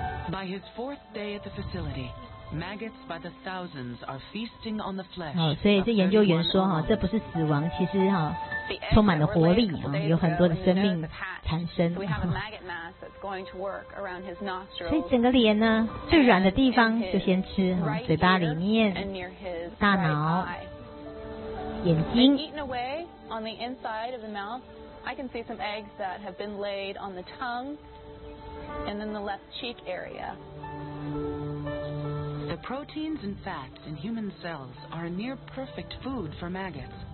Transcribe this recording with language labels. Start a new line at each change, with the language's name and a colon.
English: By his fourth day at the facility, maggots by the thousands are feasting on the flesh.
Chinese: 好，所以这研究员说哈，这不是死亡，其实哈充满了活力啊，有很多的生命产生。
English: We have a maggot mass that's going to work around his nostrils.
Chinese: 所以整个脸呢，最软的地方就先吃，嘴巴里面、大脑、眼睛。
English: Eaten away on the inside of the mouth, I can see some eggs that have been laid on the tongue. And then the left cheek area. The proteins and fats in human cells are a near perfect food for maggots.